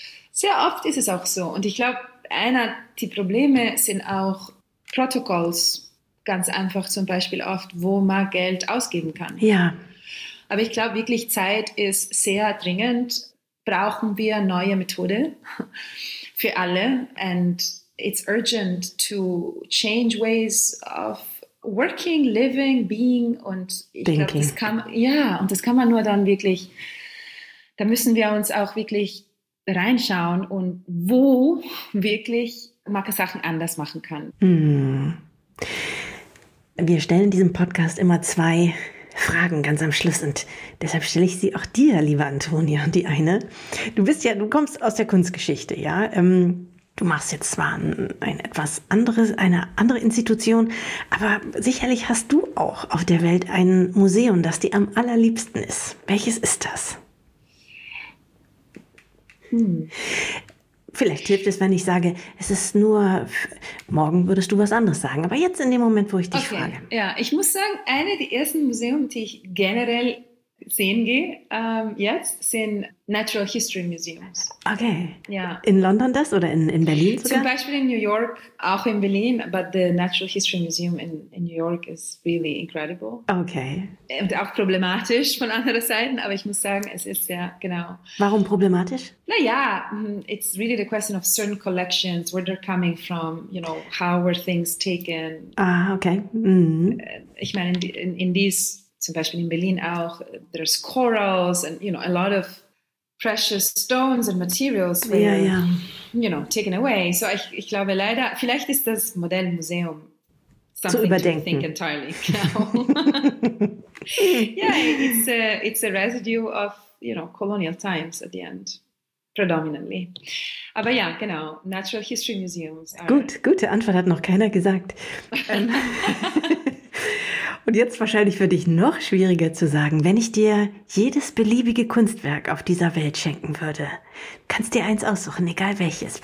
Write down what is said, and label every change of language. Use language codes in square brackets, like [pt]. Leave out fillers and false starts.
[de] Sehr oft ist es auch so und ich glaube, einer der Probleme sind auch Protokolls. Ganz einfach zum Beispiel oft, wo man Geld ausgeben kann. Ja. Aber ich glaube wirklich, Zeit ist sehr dringend. Brauchen wir neue Methode für alle? [en] And it's urgent to change ways of working, living, being. [de] Und ich glaube, das kann man nur dann wirklich, da müssen wir uns auch wirklich reinschauen und wo wirklich man Sachen anders machen kann. Wir stellen diesem Podcast immer 2 Fragen ganz am Schluss und deshalb stelle ich sie auch dir, liebe Antonia, die eine. Du kommst aus der Kunstgeschichte, ja. Du machst jetzt zwar eine andere Institution, aber sicherlich hast du auch auf der Welt ein Museum, das dir am allerliebsten ist. Welches ist das? Vielleicht hilft es, wenn ich sage, es ist nur, morgen würdest du was anderes sagen. Aber jetzt in dem Moment, wo ich dich frage. Ja, ich muss sagen, eine der ersten Museen, die ich generell sehen gehe, jetzt, sind Natural History Museums. Okay. Ja. In London das oder in Berlin sogar? Zum Beispiel in New York, auch in Berlin. [en] But the Natural History Museum in New York is really incredible. Okay. [de] Und auch problematisch von anderer Seite. Aber ich muss sagen, es ist ja, genau. Warum problematisch? [en] Naja, it's really the question of certain collections, where they're coming from, you know, how were things taken. Ah, okay. [de] Ich meine, [en] in these, [de] zum Beispiel in Berlin auch, [en] there's corals and, you know, a lot of precious stones and materials were, you know, taken away. [de] So ich glaube leider, vielleicht ist das moderne Museum something zu überdenken. [en] To think entirely. it's a residue of, you know, colonial times at the end, predominantly. [de] Aber ja, genau, Natural History Museums. Gute Antwort, hat noch keiner gesagt. Und jetzt wahrscheinlich für dich noch schwieriger zu sagen, wenn ich dir jedes beliebige Kunstwerk auf dieser Welt schenken würde, kannst dir eins aussuchen, egal welches.